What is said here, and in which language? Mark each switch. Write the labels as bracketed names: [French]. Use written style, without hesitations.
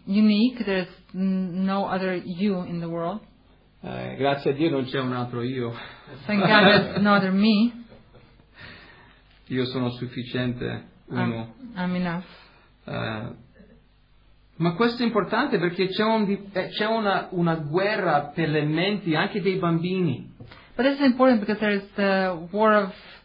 [English] Unique, there's no other you in the world. [Italian] Grazie a Dio non c'è un altro io. [English] Thank God there's no other me. [Italian] Io sono sufficiente, uno. [English] I'm enough. [Italian] Ma questo è importante perché c'è una guerra per le menti anche dei bambini. [English] But this is important because there is the war of